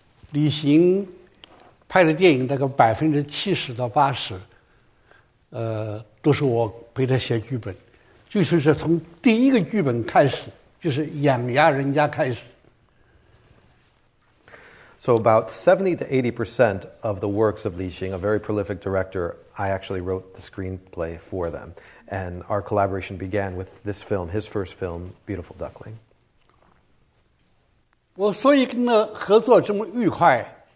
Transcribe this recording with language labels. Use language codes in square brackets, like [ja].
[zh] 李行拍的电影大概70%到80%，都是我陪他写剧本，就是从第一个剧本开始，就是养鸭人家开始。So [en] about 70 to 80% of the works of Li Xing, a very prolific director, I actually wrote the screenplay for them. And our collaboration began with this film, his first film, Beautiful Duckling. [zh] 我所以跟他合作这么愉快。